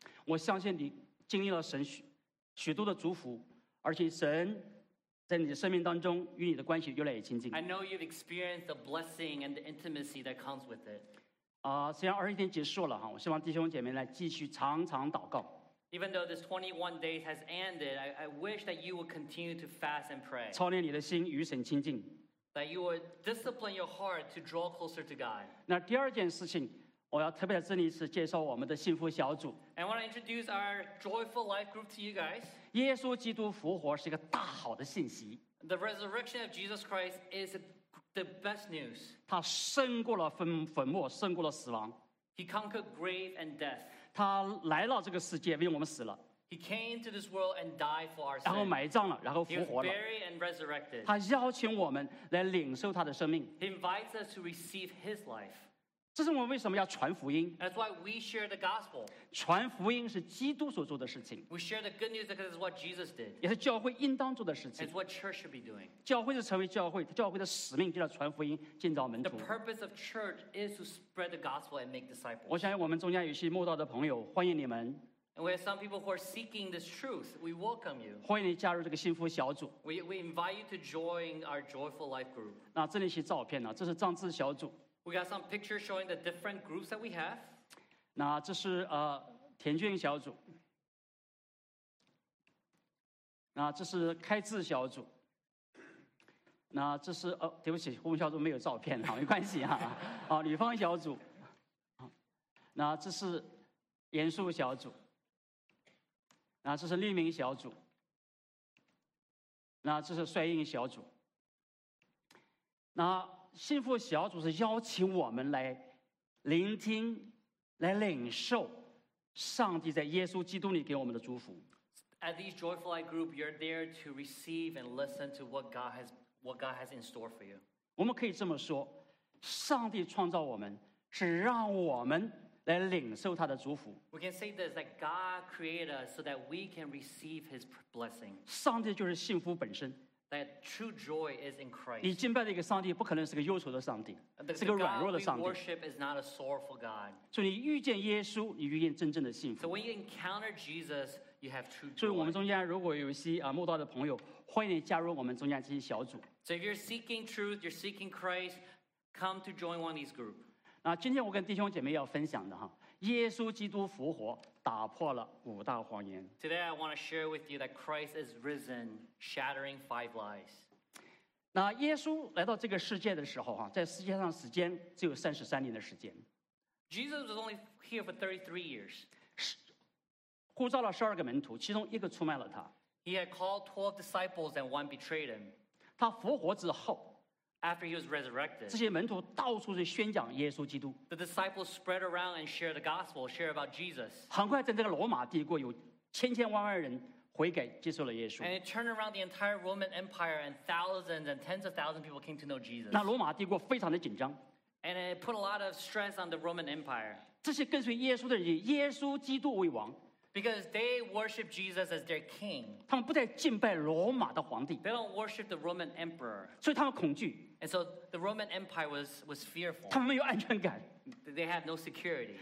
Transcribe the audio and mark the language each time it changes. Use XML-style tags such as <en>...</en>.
<zh>我相信你经历了神许多的祝福而且神在你的生命当中与你的关系越来越亲近</zh> <en>I know you've experienced the blessing and the intimacy that comes with it</en> <zh>虽然二十一天结束了我希望弟兄姐妹来继续常常祷告</zh> <en>Even though this 21 days has ended I wish that you would continue to fast and pray</en> <zh>操练你的心与神亲近</zh> <en>That you would discipline your heart to draw closer to God</en> <zh>那第二件事情我要特别在这里是介绍我们的幸福小组</zh> <en>I want to introduce our joyful life group to you guys</en> <zh>耶稣基督复活是一个大好的信息</zh> <en>The resurrection of Jesus Christ is the best news</en> <zh>他胜过了坟墓胜过了死亡</zh> <en>He conquered grave and death</en> <zh>他来到这个世界为我们死了</zh> <en>He came to this world and died for our sin</en> <zh>然后埋葬了然后复活了</zh> <en>He was buried and resurrected</en> <zh>他邀请我们来领受他的生命</zh> <en>He invites us to receive his life</en> <zh>这是我们为什么要传福音</zh> <en>That's why we share the gospel</en> <zh>传福音是基督所做的事情</zh> <en>We share the good news because it's what Jesus did</en> <zh>也是教会应当做的事情</zh> <en>It's what church should be doing</en> <zh>教会是成为教会教会的使命就是传福音建造门徒</zh> <en>The purpose of church is to spread the gospel and make disciples</en> <zh>我相信我们中间有些慕道的朋友欢迎你们</zh> <en>And we have some people who are seeking this truth We welcome you</en> <zh>欢迎你加入这个幸福小组</zh> <en>We invite you to join our joyful life group</en> <zh>那这里是照片这是藏字小组</zh> <en>We got some pictures showing the different groups that we have.</en> <zh>那这是田俊小组。那这是开智小组。那这是对不起，我们小组没有照片，好，没关系哈。好，女方小组。那这是严肃小组。那这是匿名小组。那这是率应小组。那幸福小组是邀请我们来聆听，来领受上帝在耶稣基督里给我们的祝福。</zh> <en>At these joyful life group, you're there to receive and listen to what God has in store for you.</en> <zh>我们可以这么说，上帝创造我们是让我们来领受他的祝福。</zh> <en>We can say this, that God created us so that we can receive his blessing.</en> <zh>上帝就是幸福本身。</zh> <en>That true joy is in Christ.</en> <zh>你敬拜的一个上帝不可能是个忧愁的上帝，是个软弱的上帝。</zh> <en>We worship is not a sorrowful God.</en> <zh>所以你遇见耶稣，你遇见真正的幸福。</zh> <en>So when you encounter Jesus, you have true joy.</en> <zh>所以我们中间如果有一些慕道的朋友，欢迎你加入我们中间这些小组。</zh> <en>So if you're seeking truth, you're seeking Christ, come to join one of these groups.</en> <zh>那今天我跟弟兄姐妹要分享的哈，耶稣基督复活打破了五大谎言。</zh> <en>Today I want to share with you that Christ is risen, shattering five lies.</en> <zh>那耶稣来到这个世界的时候，在世界上时间只有三十三年的时间。</zh> <en>Jesus was only here for 33 years.</en> <zh>呼召了十二个门徒，其中一个出卖了他。</zh> <en>He had called 12 disciples and one betrayed him.</en> <zh>他复活之后，</zh> <en>After he was resurrected,</en> <zh>这些门徒到处去宣讲耶稣基督。</zh> <en>The disciples spread around and shared the gospel, shared about Jesus.</en> <zh>很快，在这个罗马帝国，有千千万万人悔改，接受了耶稣。</zh> <en>And it turned around the entire Roman Empire, and thousands and tens of thousands of people came to know Jesus.</en> <zh>那罗马帝国非常的紧张。</zh> <en>And it put a lot of stress on the Roman Empire.</en> <zh>这些跟随耶稣的人，以耶稣基督为王。</zh> <en>Because they worship Jesus as their king.</en> <zh>他们不再敬拜罗马的皇帝。</zh> <en>They don't worship the Roman emperor.</en> <zh>所以他们恐惧。</zh> <en>And so the Roman Empire was fearful.</en> <zh>他们没有安全感。</zh> <en>They have no security.</en>